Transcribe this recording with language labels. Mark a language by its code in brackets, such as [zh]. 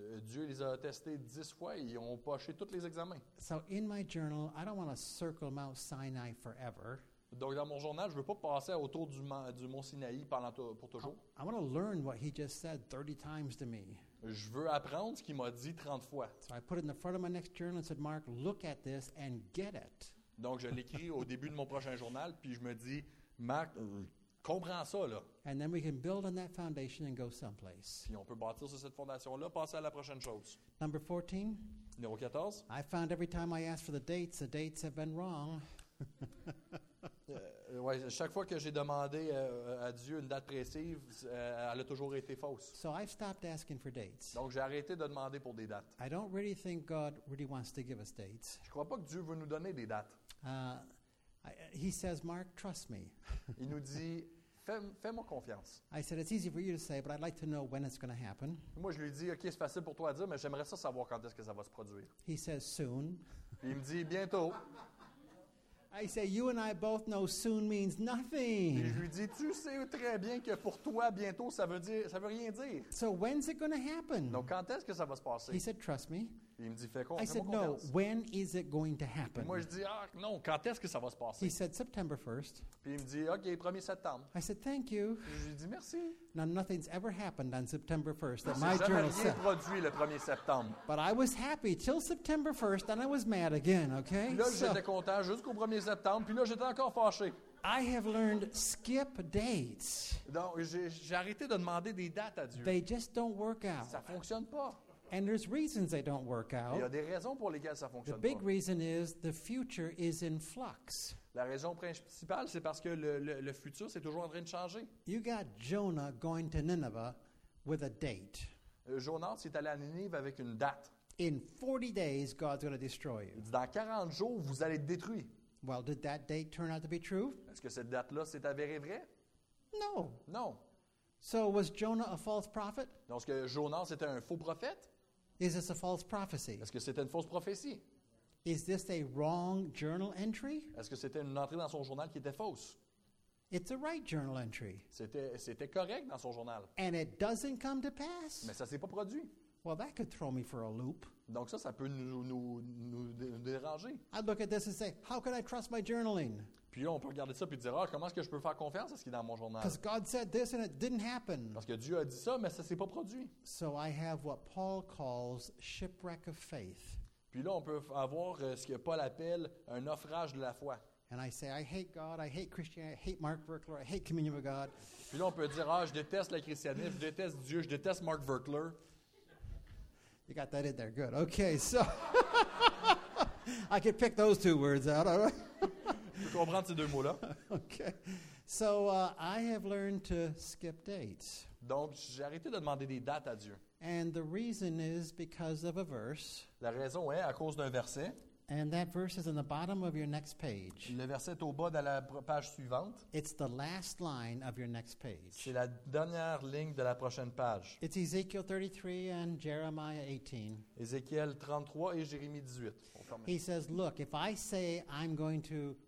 [fr] Dieu les a testés 10 fois et ils ont poché tous les examens. [en] So in my journal, I don't want to circle Mount Sinai forever. [fr] Donc, dans mon journal, je ne veux pas passer autour du Mont Sinaï pour toujours. [en] I want to learn what he just said 30 times to me. [fr] Je veux apprendre ce qu'il m'a dit 30 fois. [en] So I put it in the front of my next journal and said, Mark, look at this and get it. [fr] Donc, je l'écris au début de mon prochain journal, puis je me dis, Mark, comprends ça, là. [en] And then we can build on that foundation and go someplace. [fr] Puis on peut bâtir sur cette fondation-là, passer à la prochaine chose. [en] Number 14. [fr] Numéro 14. [en] I found every time I asked for the dates have been wrong. [fr] Ouais, chaque fois que j'ai demandé à Dieu une date précise, elle a toujours été fausse. [en] So I've stopped asking for dates. [fr] Donc j'ai arrêté de demander pour des dates. [en] I don't really think God really wants to give us dates. [fr] Je ne crois pas que Dieu veut nous donner des dates. [en] He says, Mark, trust me. [fr] Il nous dit, fais-moi confiance. [en] I said, it's easy for you to say, but I'd like to know when it's going to happen. [fr] Moi, je lui dis, ok, c'est facile pour toi à dire, mais j'aimerais ça savoir quand est-ce que ça va se produire. [en] He says, soon. [fr] Il me dit, bientôt. [en] I say, you and I both know soon means nothing. [fr] Et je lui dis, tu sais très bien que pour toi, bientôt, ça veut rien dire. [en] So when's it going to happen? [fr] Donc, quand est-ce que ça va se passer? [en] He said, trust me. [fr] Il me dit, fais-moi [en] confiance. I said, no, when is it going to happen? [fr] Et moi, je dis, ah, non, quand est-ce que ça va se passer? [en] He said, September 1st. [fr] Puis il me dit, OK, 1er septembre. [en] I said, thank you. [fr] Et je lui dis, merci. [en] Now, nothing's ever happened on September 1st. [fr] Ça s'est jamais rien produit le 1er septembre. [en] But I was happy till September 1st, and I was mad again, OK? [fr] Là, j'étais content jusqu'au 1er septembre, puis là, j'étais encore fâché. [en] I have learned skip dates. [fr] Donc, j'ai arrêté de demander des dates à Dieu. [en] They just don't work out. [fr] Ça fonctionne pas. [en] And there's reasons they don't work out. [fr] Il y a des raisons pour lesquelles ça fonctionne [en] pas. The big [fr] pas. [en] Reason is the future is in flux. [fr] La raison principale, c'est parce que le futur, c'est toujours en train de changer. [en] You got Jonah going to Nineveh with a date. [fr] Jonas est allé à Ninive avec une date. [en] In 40 days, God's going to destroy you. [fr] Dans 40 jours, vous allez être détruit. [en] Well, did that date turn out to be true? [fr] Est-ce que cette date-là s'est avérée vraie? [en] No. [fr] Non. [en] So was Jonah a false prophet? [fr] Donc, est-ce que Jonas était un faux prophète? [en] Is this a false prophecy? [fr] Est-ce que c'était une fausse prophétie? [en] Is this a wrong journal entry? [fr] Est-ce que c'était une entrée dans son journal qui était fausse? [en] It's a right journal entry. [fr] C'était correct dans son journal. [en] And it doesn't come to pass. [fr] Mais ça s'est pas produit. [en] Well, that could throw me for a loop. [fr] Donc ça peut nous déranger. [en] I look at this and say, how can I trust my journaling? [fr] Puis on peut regarder ça puis dire, ah, comment est-ce que je peux faire confiance à ce qui est dans mon journal? [en] Because God said this and it didn't happen. [fr] Parce que Dieu a dit ça, mais ça s'est pas produit. [en] So I have what Paul calls shipwreck of faith. [fr] Puis là, on peut avoir ce que Paul appelle un naufrage de la foi. [en] And I say, I hate God, I hate Christianity, I hate Mark Verkler, I hate Communion of God. [fr] Puis là, on peut dire, ah, je déteste le christianisme, je déteste Dieu, je déteste Mark Verkler. [en] You got that in there, good. Okay, so I could pick those two words out, all right? [fr] Je peux comprendre ces deux mots-là. [en] Okay, so I have learned to skip dates. [fr] Donc, j'ai arrêté de demander des dates à Dieu. [en] And the reason is because of a verse. [fr] La raison est à cause d'un verset. [en] And that verse is in the bottom of your next page. [fr] Le verset est au bas de la page suivante. [en] It's the last line of your next page. [fr] C'est la dernière ligne de la prochaine page. [en] It's Ezekiel 33 and Jeremiah 18. [fr] Ézéchiel 33 et Jérémie 18. [en] He says, look, if I say I'm going to